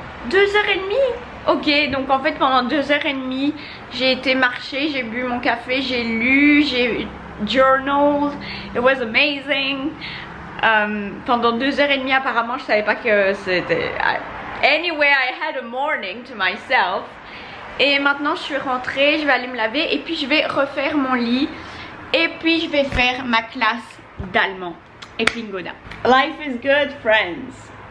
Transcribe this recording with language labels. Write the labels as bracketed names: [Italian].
[French] Deux heures et demie? Ok, donc en fait pendant deux heures et demie, j'ai été marcher, j'ai bu mon café, j'ai lu, j'ai journaled. [English] It was amazing. [French] Pendant deux heures et demie apparemment, je savais pas que c'était... [English] Anyway, I had a morning to myself. [French] Et maintenant je suis rentrée, je vais aller me laver et puis je vais refaire mon lit. Et puis je vais faire ma classe d'allemand et Lingoda. [English] Life is good, friends.